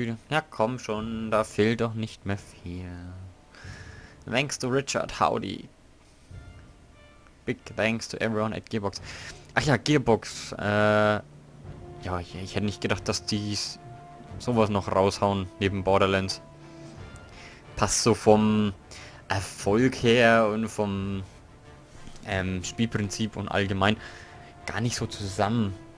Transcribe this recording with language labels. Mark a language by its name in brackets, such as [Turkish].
[German] Ja, komm schon, da fehlt doch nicht mehr viel. [English] Thanks to Richard, howdy. Big thanks to everyone at Gearbox. [German] Ach ja, Gearbox. Ja, ich hätte nicht gedacht, dass die sowas noch raushauen neben Borderlands. Passt so vom Erfolg her und vom Spielprinzip und allgemein gar nicht so zusammen.